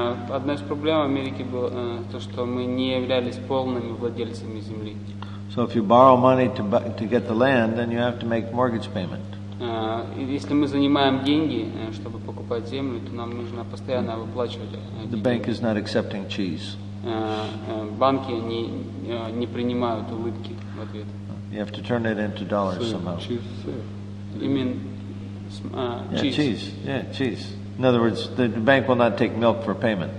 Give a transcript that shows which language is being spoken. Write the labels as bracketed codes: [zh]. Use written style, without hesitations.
[ru] Одна из проблем Америки была то, что мы не являлись полными владельцами земли. [en] So if you borrow money to get the land, then you have to make mortgage payment. [ru] Если мы занимаем деньги, чтобы покупать землю, то нам нужно постоянно выплачивать. [en] The bank is not accepting cheese. [ru] Банки не принимают улыбки в ответ. [en] You have to turn it into dollars somehow. You mean cheese? Yeah, cheese. In other words, the bank will not take milk for payment.